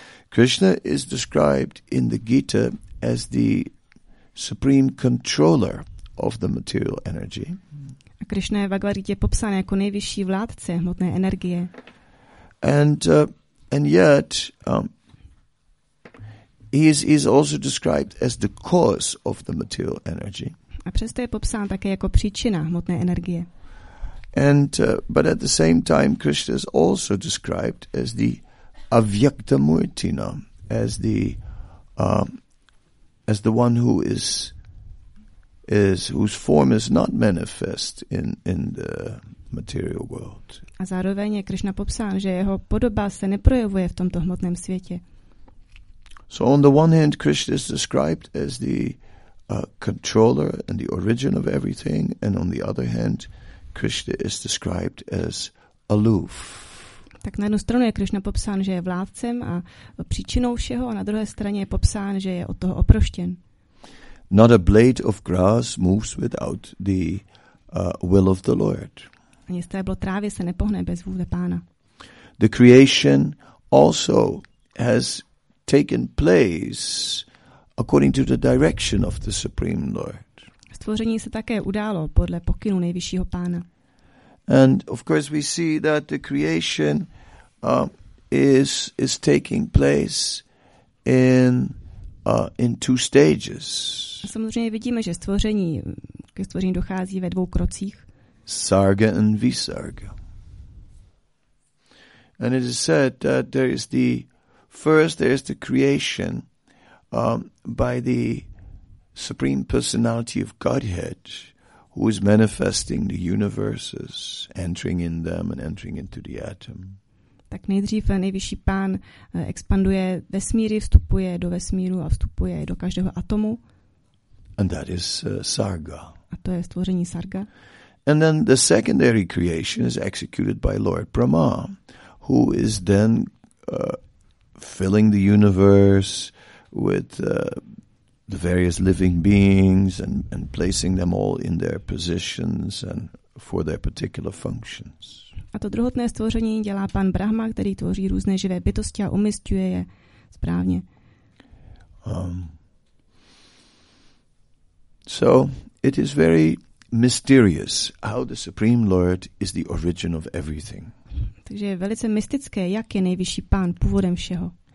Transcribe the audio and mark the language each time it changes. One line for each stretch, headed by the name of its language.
English: Krishna is described in the Gita as the supreme controller of the material energy.
Czech: A Krishna je v Bhagavad Gita popsán jako nejvyšší vládce hmotné energie.
English: And yet he is also described as the cause of the material energy.
Czech: A přesto je popsán také jako příčina hmotné energie.
English: But at the same time Krishna is also described as the avyakta murtina, as the one who is whose form is not manifest in the material world.
Czech: A zároveň je Krishna popsán, že jeho podoba se neprojevuje v tomto hmotném světě.
English: So on the one hand Krishna is described as the controller and the origin of everything, and on the other hand Krishna is described as aloof.
Czech: Tak na jednu stranu je Krishna popsán, že je vládcem a příčinou všeho, a na druhé straně je popsán, že je od toho oproštěn.
English: Not a blade of grass moves without the will of the Lord.
Czech: Ani stéblo trávy se nepohne bez vůle Pána.
English: The creation also has taken place according to the direction of the Supreme Lord.
Czech: Stvoření se také událo podle pokynu nejvyššího Pána.
English: And of course we see that the creation is taking place in two stages.
Czech: Samozřejmě vidíme, že stvoření ke stvoření dochází ve dvou krocích.
English: Sarga and Visarga. And it is said that there is the first there is the creation by the Supreme Personality of Godhead, who is manifesting the universes, entering in them and entering into the atom.
Czech: Tak nejdřív nejvyšší pán expanduje vesmíry, vstupuje do vesmíru a vstupuje do každého atomu.
English: And that is Sarga.
Czech: A to je stvoření Sarga.
English: And then the secondary creation is executed by Lord Brahma, who is then filling the universe with the various living beings and placing them all in their positions and for their particular functions.
Czech: A to druhotné stvoření dělá pan Brahma, který tvoří různé živé bytosti a umisťuje je správně.
English: So it is very mysterious how the Supreme Lord is the origin of everything.
Czech: Takže je velice mystické, jak je nejvyšší pán původem všeho.